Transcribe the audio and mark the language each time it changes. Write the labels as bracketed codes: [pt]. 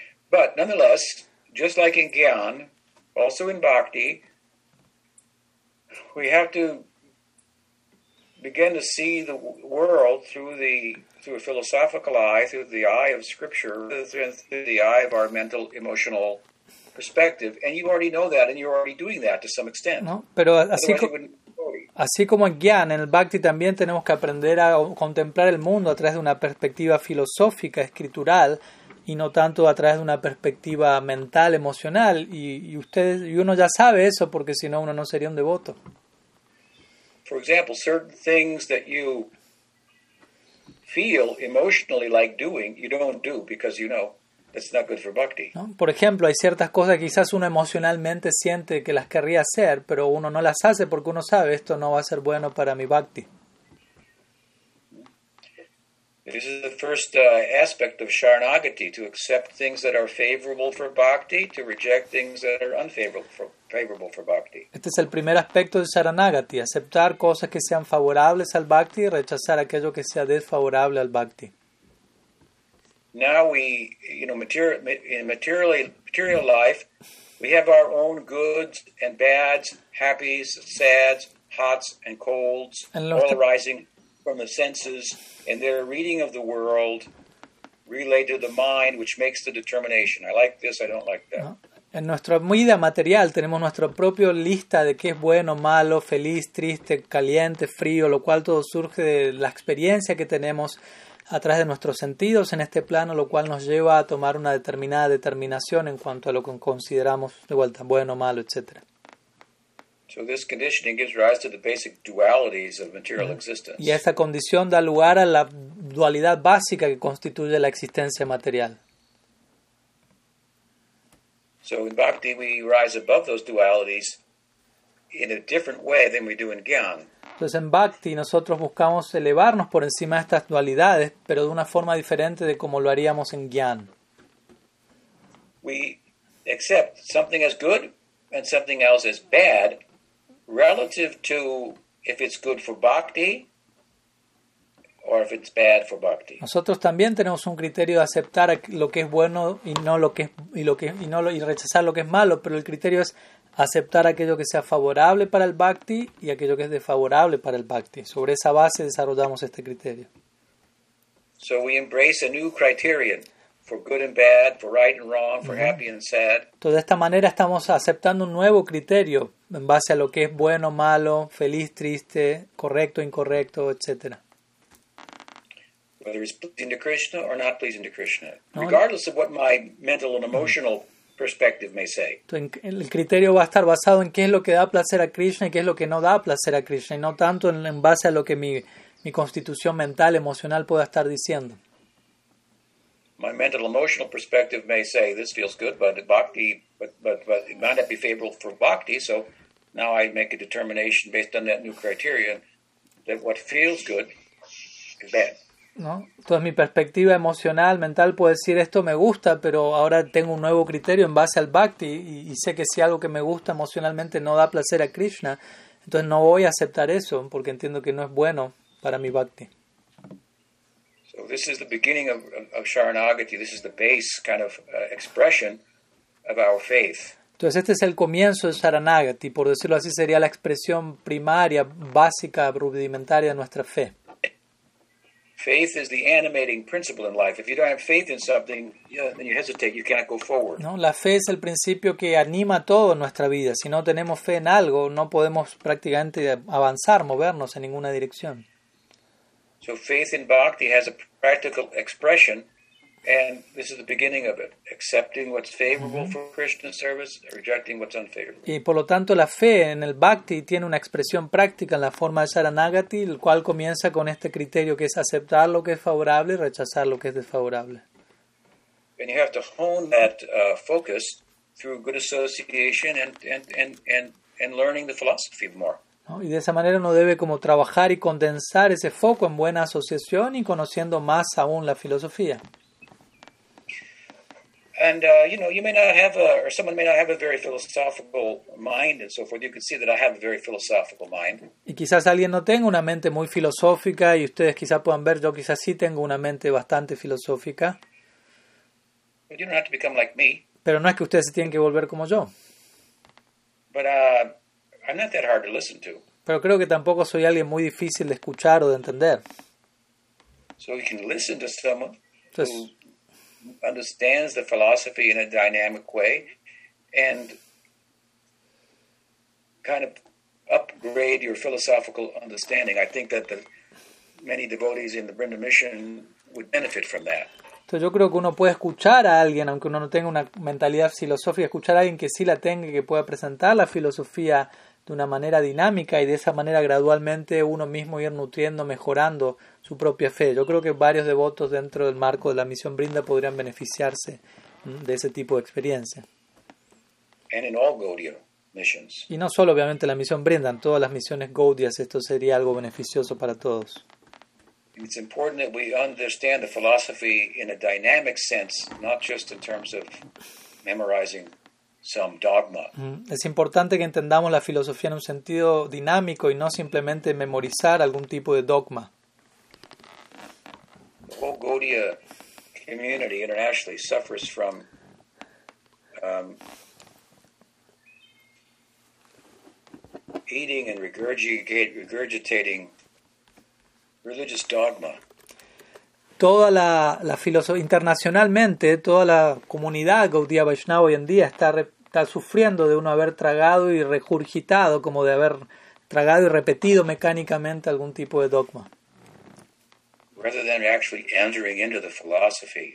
[en] But nonetheless, just like in gyan, also in bhakti, we have to begin to see the world through a philosophical eye, through the eye of scripture, through the eye of our mental, emotional perspective. And you already know that, and you're already doing that to some extent. [es] No, pero así Así como en Gyan, en el Bhakti también tenemos que aprender a contemplar el mundo a través de una perspectiva filosófica, escritural, y no tanto a través de una perspectiva mental, emocional. Y uno ya sabe eso, porque si no, uno no sería un devoto. [en] For example, certain things that you feel emotionally like doing, you don't do because you know that's not good for Bhakti. [es] ¿No? Por ejemplo, hay ciertas cosas que quizás uno emocionalmente siente que las querría hacer, pero uno no las hace porque uno sabe esto no va a ser bueno para mi Bhakti. [en] This is the first aspect of Sharanagati, to accept things that are favorable for Bhakti, to reject things that are unfavorable for Bhakti. [es] Este es el primer aspecto de Sharanagati, aceptar cosas que sean favorables al Bhakti y rechazar aquello que sea desfavorable al Bhakti. [en] Now we, you know, in material life, we have our own goods and bads, happies, sads, hots and colds, all arising from the senses and their reading of the world related to the mind, which makes the determination. I like this, I don't like that. No. [es] En nuestra vida material tenemos nuestra propia lista de qué es bueno, malo, feliz, triste, caliente, frío, lo cual todo surge de la experiencia que tenemos a través de nuestros sentidos en este plano, lo cual nos lleva a tomar una determinada determinación en cuanto a lo que consideramos de vuelta bueno, malo, etc. [en] So this conditioning gives rise to the basic dualities of material existence. [es] Y esta condición da lugar a la dualidad básica que constituye la existencia material. [en] So in bhakti we rise above those dualities in a different way than we do in gyan. [es] Entonces en Bhakti nosotros buscamos elevarnos por encima de estas dualidades, pero de una forma diferente de como lo haríamos en Gyan. [en] We accept something as good and something else as bad relative to if it's good for Bhakti or if it's bad for Bhakti. [es] Nosotros también tenemos un criterio de aceptar lo que es bueno y rechazar lo que es malo, pero el criterio es aceptar aquello que sea favorable para el bhakti y aquello que es desfavorable para el bhakti. Sobre esa base desarrollamos este criterio. [en] So we embrace a new criterion for good and bad, for right and wrong, for happy and sad. [es] Entonces, de esta manera estamos aceptando un nuevo criterio en base a lo que es bueno, malo, feliz, triste, correcto, incorrecto, etc. [en] Whether it's pleasing to Krishna or not pleasing to Krishna. No, regardless of what my mental and emotional perspective may say. [es] El criterio va a estar basado en qué es lo que da placer a Krishna y qué es lo que no da placer a Krishna, y no tanto en base a lo que mi constitución mental, emocional pueda estar diciendo. [en] My mental emotional perspective may say this feels good, but it might not be favorable for bhakti, so now I make a determination based on that new criterion that what feels good is bad. [es] ¿No? Entonces mi perspectiva emocional, mental puede decir esto me gusta, pero ahora tengo un nuevo criterio en base al bhakti y sé que si algo que me gusta emocionalmente no da placer a Krishna, entonces no voy a aceptar eso porque entiendo que no es bueno para mi bhakti. [en] So So this is the beginning of Sharanagati. This is the base kind of expression of our faith. [es] Entonces este es el comienzo de Sharanagati, por decirlo así, sería la expresión primaria, básica, rudimentaria de nuestra fe. [en] Faith is the animating principle in life. If you don't have faith in something, you know, then you hesitate, you cannot go forward. [es] No, la fe es el principio que anima todo en nuestra vida. Si no tenemos fe en algo, no podemos prácticamente avanzar, movernos en ninguna dirección. [en] So faith in bhakti has a practical expression, and this is the beginning of it. Accepting what's favorable for Krishna service, rejecting what's unfavorable. [es] Y por lo tanto, la fe en el bhakti tiene una expresión práctica en la forma de Saranagati, el cual comienza con este criterio que es aceptar lo que es favorable y rechazar lo que es desfavorable. [en] And you have to hone that focus through good association and learning the philosophy more. [es] ¿No? Y de esa manera uno debe como trabajar y condensar ese foco en buena asociación y conociendo más aún la filosofía. [en] And you know, you may not have a, or someone may not have a very philosophical mind and so forth. You can see that I have a very philosophical mind. [es] Y quizás alguien no tenga una mente muy filosófica, y ustedes quizás puedan ver, yo quizás sí tengo una mente bastante filosófica. [en] But you don't have to become like me. [es] Pero no es que ustedes se tienen que volver como yo. [en] But I'm not that hard to listen to. [es] Pero creo que tampoco soy alguien muy difícil de escuchar o de entender. [en] So you can listen to someone who understands the philosophy in a dynamic way and kind of upgrade your philosophical understanding. I think that the many devotees in the Brinda Mission would benefit from that. [es] Entonces yo creo que uno puede escuchar a alguien, aunque uno no tenga una mentalidad filosófica, escuchar a alguien que sí la tenga, que pueda presentar la filosofía de una manera dinámica y de esa manera gradualmente uno mismo ir nutriendo, mejorando su propia fe. Yo creo que varios devotos dentro del marco de la misión Brinda podrían beneficiarse de ese tipo de experiencia. [en] And in all Gaudiya missions. [es] Y no solo obviamente la misión Brinda, en todas las misiones Gaudias esto sería algo beneficioso para todos. [en] It's important that we understand the philosophy in a dynamic sense, not just in terms of memorizing some dogma. [es] Es importante que entendamos la filosofía en un sentido dinámico y no simplemente memorizar algún tipo de dogma. [en] The whole Gaudiya community internationally suffers from eating and regurgitating religious dogma. [es] Toda la filosofía internacionalmente, toda la comunidad Gaudiya Vaishnava hoy en día está sufriendo de uno haber tragado y regurgitado, como de haber tragado y repetido mecánicamente algún tipo de dogma. [en] Rather than actually entering into the philosophy.